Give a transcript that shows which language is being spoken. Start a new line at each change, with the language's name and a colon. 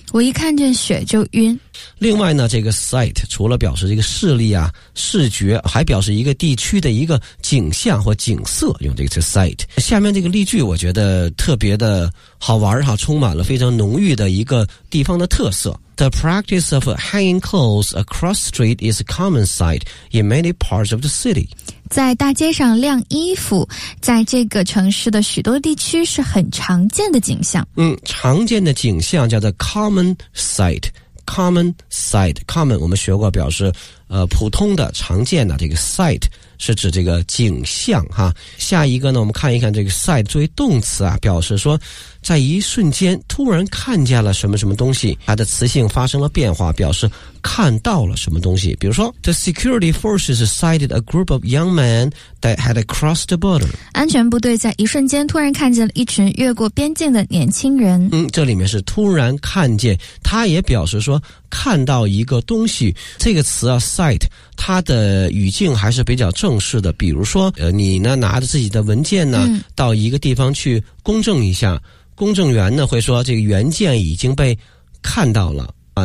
Chinese: 我一看见血就晕。另外呢，这个 sight 除了表示这个视力啊视觉，还表示一个地区的一个景象或景色，用这个词 sight。下面这个例句我觉得特别的好玩哈，充满了非常浓郁的一个地方的特色。
English: The practice of hanging clothes across the street is a common sight in many parts of the city.
Chinese: 在大街上晾衣服，在这个城市的许多地区是很常见的景象。常见的景象叫做 common sight。Common sight， common 我们学过表示普通的常见的，这个 sight 是指这个景象哈。下一个呢，我们看一看这个 sight 作为动词啊，表示说在一瞬间突然看见了什么什么东西，它的词性发生了变化，表示看到了什么东西。比如说
English: The security forces sighted a group of young men that had crossed the border，
Chinese: 安全部队在一瞬间突然看见了一群越过边境的年轻人。这里面是突然看见，它也表示说看到一个东西。这个词啊sight， 它的语境还是比较正式的，比如说你呢拿着自己的文件呢到一个地方去公证一下，公证员呢会说这个原件已经被看到了啊。